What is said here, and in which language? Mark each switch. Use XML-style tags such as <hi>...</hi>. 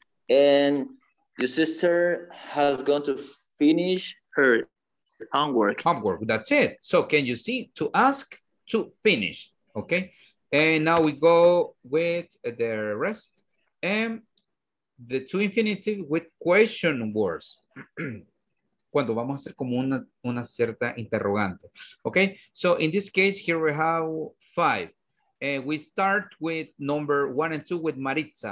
<en>And your sister has gone to finish her homework. That's it. So can you see to ask, to finish? Okay. And now we go with the rest and the two infinitive with question words.</en> <es>Cuando vamos a hacer como una cierta interrogante.</es> <en>Okay. So in this case, here we have five. We start with number one and two with Maritza.</en>